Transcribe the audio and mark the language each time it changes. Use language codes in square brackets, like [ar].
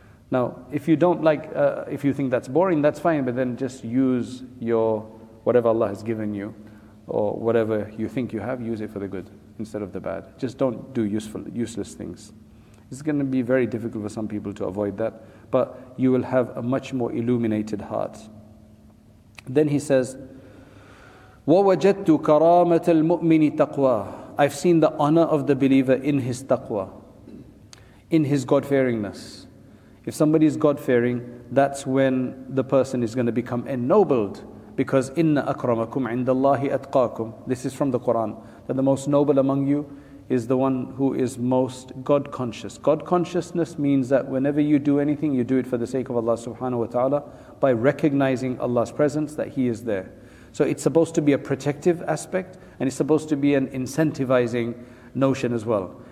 [en] Now, if you don't like, if you think that's boring, that's fine, but then just use your, whatever Allah has given you, or whatever you think you have, use it for the good instead of the bad. Just don't do useless things. It's going to be very difficult for some people to avoid that, but you will have a much more illuminated heart. Then he says, [ar] وَوَجَدْتُ كَرَامَةَ الْمُؤْمِنِ تَقْوَى. [en] I've seen the honor of the believer in his taqwa, in his God-fearingness. If somebody is God-fearing, that's when the person is going to become ennobled. Because [ar] إِنَّ أَكْرَمَكُمْ عِنْدَ اللَّهِ أَتْقَاكُمْ. [en] This is from the Quran. That the most noble among you is the one who is most God-conscious. God-consciousness means that whenever you do anything, you do it for the sake of Allah subhanahu wa ta'ala by recognizing Allah's presence, that He is there. So it's supposed to be a protective aspect, and it's supposed to be an incentivizing notion as well.